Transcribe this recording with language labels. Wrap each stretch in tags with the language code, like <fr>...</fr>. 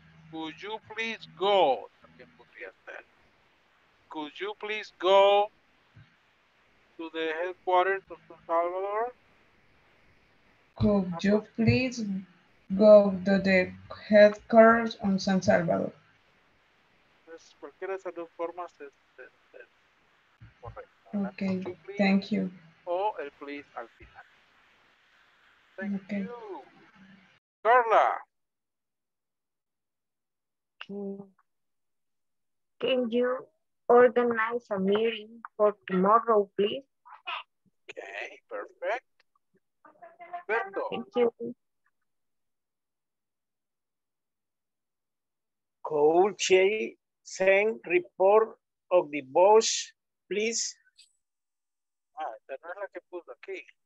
<en>Could you please go?</en> <es>También podría ser.</es> <en>Could you please go to the headquarters of San Salvador? Could you please go to the headquarters on San Salvador?</en> <es>Pues cualquiera de esas dos formas es correcto.</es> <en>Okay, thank you.</en> <es>O el please al final.</es> <en>Thank you.</en> <es>Carla.</es> <en>Can you organize a meeting for tomorrow, please? Okay, perfect. Alberto. Thank you. Could she send report of the boss, please?</en> <es>Ah, esta no es la que puso aquí.</es>